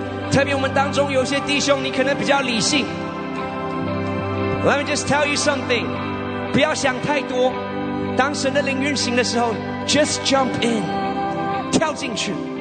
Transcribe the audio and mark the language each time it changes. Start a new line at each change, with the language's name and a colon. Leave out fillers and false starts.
Chinese: 特别我们当中有些弟兄，你可能比较理性。
English: Let me just tell you something，
Chinese: 不要想太多。当神的灵运行的时候 ，
English: just jump in，
Chinese: 跳进去。